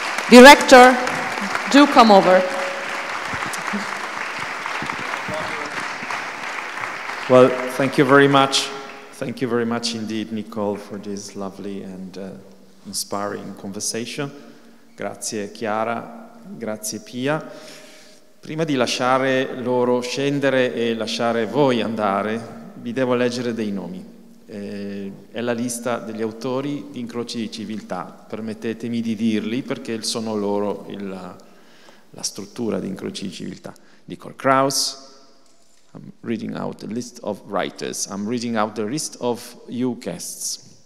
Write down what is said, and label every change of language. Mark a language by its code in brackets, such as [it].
[en] Director, do come over. Well, thank you very much. Thank you very much indeed, Nicole, for this lovely and inspiring conversation. [it] Grazie Chiara, grazie Pia. Prima di lasciare loro scendere e lasciare voi andare, vi devo leggere dei nomi. È la lista degli autori di Incroci di Civiltà, permettetemi di dirli perché sono loro la struttura di Incroci di Civiltà. [en] Nicole Krauss, I'm reading out the list of writers, I'm reading out the list of you guests.